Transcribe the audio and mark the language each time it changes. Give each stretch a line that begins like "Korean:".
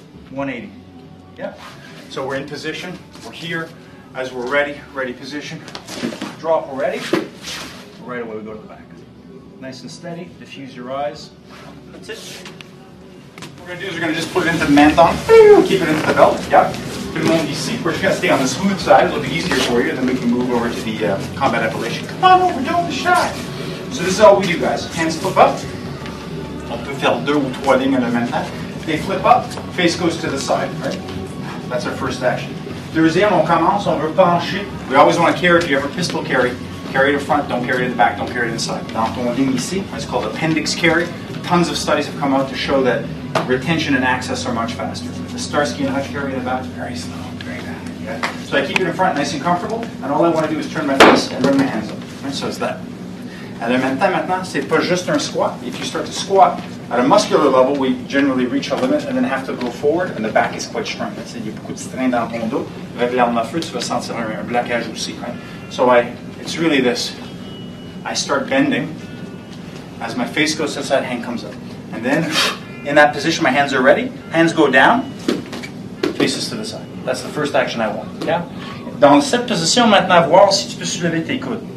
English: 180. Yeah. So we're in position. We're here as we're ready. Ready position. Drop, we're ready. Right away, we go to the back. Nice and steady. Diffuse your eyes. That's it. What we're going to do is we're going to just put it into the menton, keep it into the belt, yeah.
French: Tout le monde ici.
English: We're just going to stay on the smooth side, a little bit easier for you, then we can move over to the combat appellation. Come on over, don't be shy. So this is all we do, guys. Hands flip up.
French: On peut faire deux ou trois lignes en même temps.
English: They flip up, face goes to the side, right? That's our first action.
French: Deuxième, on commence, on veut pencher.
English: We always want to carry, if you have a pistol carry, carry it in front, don't carry it in the back, don't carry it inside.
French: Dans ton ligne ici,
English: it's called appendix carry. Tons of studies have come out to show that retention and access are much faster. The Starsky and Hutch carry in the back, very slow, very bad. Yeah. So I keep it in front, nice and comfortable, and all I want to do is turn my face and bring my hands up. Right? So it's that. And then
French: maintenant, c'est pas juste un squat.
English: If you start to squat at a muscular level, we generally reach our limit and then have to go forward, and the back is quite strong.
French: That's it, il y a beaucoup de strain dans ton dos. Avec l'arme à feu, tu vas sentir un blocage aussi.
English: Right? So it's really this. I start bending. As my face goes to the side, hand comes up. And then, in that position, my hands are ready. Hands go down, faces to the side. That's the first action I want, yeah?
French: Dans cette position, maintenant, voir si tu peux soulever tes coudes.